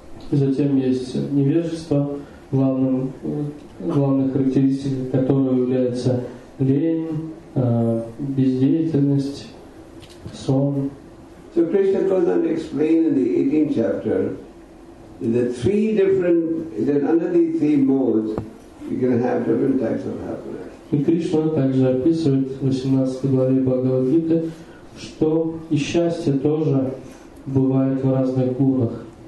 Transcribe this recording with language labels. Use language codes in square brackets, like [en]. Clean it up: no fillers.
[ru] И затем есть невежество, главной характеристикой которого является лень, бездеятельность, сон. [en] So Krishna goes on to explain in the 18th chapter that under these three modes [ru] и Кришна также описывает в 18 главе Бхагавад-гиты, что и счастье тоже бывает в разных гунах.